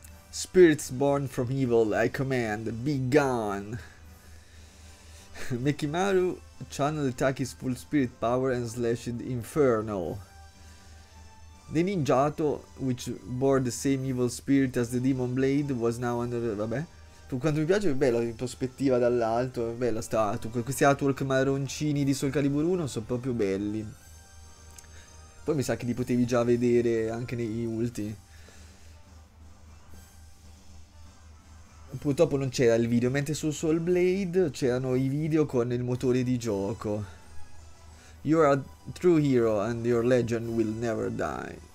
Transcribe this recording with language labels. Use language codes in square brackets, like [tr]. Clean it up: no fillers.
[en] Spirits born from evil, I command, be gone. Mekimaru channeled Taki's full spirit power and slashed Inferno. The ninjato, which bore the same evil spirit as the Demon Blade, was now under. [it] Vabbè. Quanto mi piace, è bella in prospettiva dall'alto. È bella sta artwork. Questi artwork marroncini di Soul Calibur 1 sono proprio belli. Poi mi sa che li potevi già vedere anche negli ultimi. Purtroppo non c'era il video, mentre su Soul Blade c'erano i video con il motore di gioco. [en] You are a true hero and your legend will never die.